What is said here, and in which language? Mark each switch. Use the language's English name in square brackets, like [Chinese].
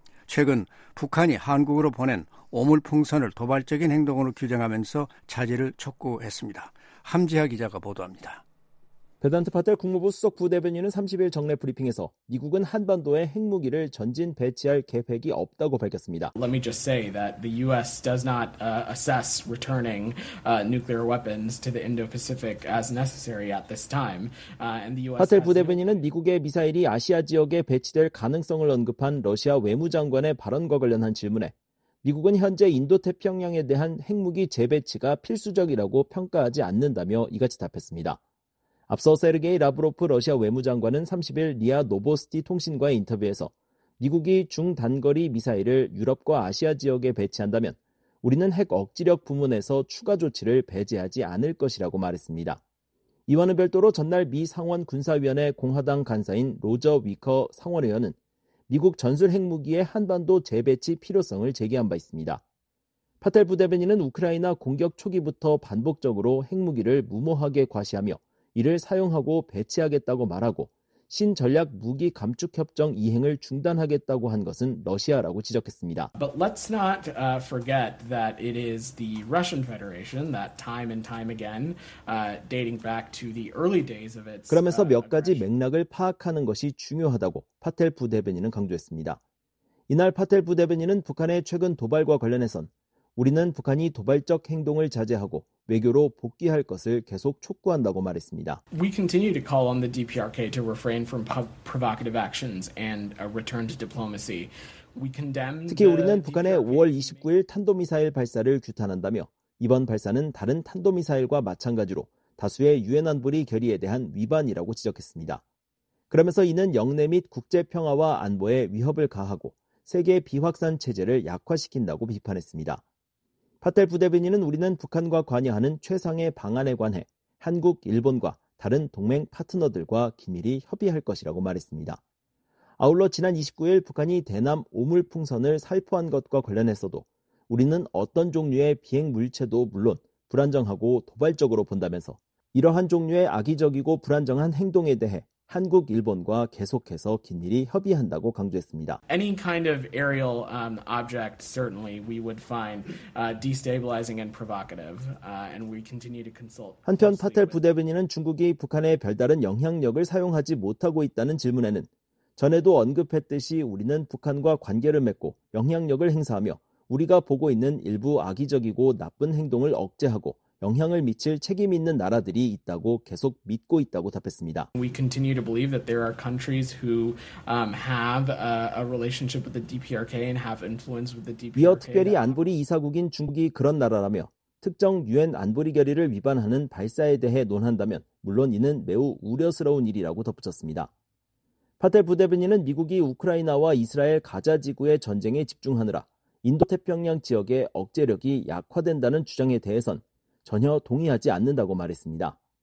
[Korean] 최근 북한이 한국으로 보낸 오물풍선을 도발적인 행동으로 규정하면서 자제를 촉구했습니다. 함지하 기자가 보도합니다. 베단트 파텔 국무부 수석 부대변인은 30일 정례 브리핑에서 미국은 한반도에 핵무기를 전진 배치할 계획이 없다고 밝혔습니다. [English] Let me just say that the U.S. does not assess returning nuclear weapons to the Indo-Pacific as necessary at this time. And the U.S. [Korean] 파텔 부대변인은 미국의 미사일이 아시아 지역에 배치될 가능성을 언급한 러시아 외무장관의 발언과 관련한 질문에 미국은 현재 인도태평양에 대한 핵무기 재배치가 필수적이라고 평가하지 않는다며 이같이 답했습니다. 앞서 세르게이 라브로프 러시아 외무장관은 30일 리아 노보스티 통신과의 인터뷰에서 미국이 중단거리 미사일을 유럽과 아시아 지역에 배치한다면 우리는 핵 억지력 부문에서 추가 조치를 배제하지 않을 것이라고 말했습니다. 이와는 별도로 전날 미 상원 군사위원회 공화당 간사인 로저 위커 상원의원은 미국 전술 핵무기의 한반도 재배치 필요성을 제기한 바 있습니다. 파텔 부대변인은 우크라이나 공격 초기부터 반복적으로 핵무기를 무모하게 과시하며 이를 사용하고 배치하겠다고 말하고 신전략 무기 감축 협정 이행을 중단하겠다고 한 것은 러시아라고 지적했습니다. [English] But let's not forget that it is the Russian Federation that time and time again dating back to the early days of its [Korean] 그러면서 몇 가지 맥락을 파악하는 것이 중요하다고 파텔 부대변인은 강조했습니다. 이날 파텔 부대변인은 북한의 최근 도발과 관련해선 우리는 북한이 도발적 행동을 자제하고 외교로 복귀할 것을 계속 촉구한다고 말했습니다. [English] We continue to call on the DPRK to refrain from provocative actions and return to diplomacy. We condemn [Korean] 특히 우리는 북한의 5월 29일 탄도미사일 발사를 규탄한다며 이번 발사는 다른 탄도미사일과 마찬가지로 다수의 유엔 안보리 결의에 대한 위반이라고 지적했습니다. 그러면서 이는 영내 및 국제 평화와 안보에 위협을 가하고 세계 비확산 체제를 약화시킨다고 비판했습니다. 파텔 부대변인은 우리는 북한과 관여하는 최상의 방안에 관해 한국, 일본과 다른 동맹 파트너들과 긴밀히 협의할 것이라고 말했습니다. 아울러 지난 29일 북한이 대남 오물풍선을 살포한 것과 관련해서도 우리는 어떤 종류의 비행 물체도 물론 불안정하고 도발적으로 본다면서 이러한 종류의 악의적이고 불안정한 행동에 대해 한국, 일본과 계속해서 긴밀히 협의한다고 강조했습니다. [English] Any kind of aerial object certainly we would find destabilizing and provocative and we continue to consult. [Korean] 한편 파텔 부대변인은 중국이 북한에 별다른 영향력을 사용하지 못하고 있다는 질문에는 전에도 언급했듯이 우리는 북한과 관계를 맺고 영향력을 행사하며 우리가 보고 있는 일부 악의적이고 나쁜 행동을 억제하고 영향을 미칠 책임 있는 나라들이 있다고 계속 믿고 있다고 답했습니다. [English] We continue to believe that there are countries who have a relationship with the DPRK and have influence with the DPRK. [Korean] 이어 특별히 안보리 이사국인 중국이 그런 나라라며 특정 유엔 안보리 결의를 위반하는 발사에 대해 논한다면 물론 이는 매우 우려스러운 일이라고 덧붙였습니다. 파텔 부대변인은 미국이 우크라이나와 이스라엘 가자 지구의 전쟁에 집중하느라 인도태평양 지역의 억제력이 약화된다는 주장에 대해선 전혀 동의하지 않는다고 말했습니다.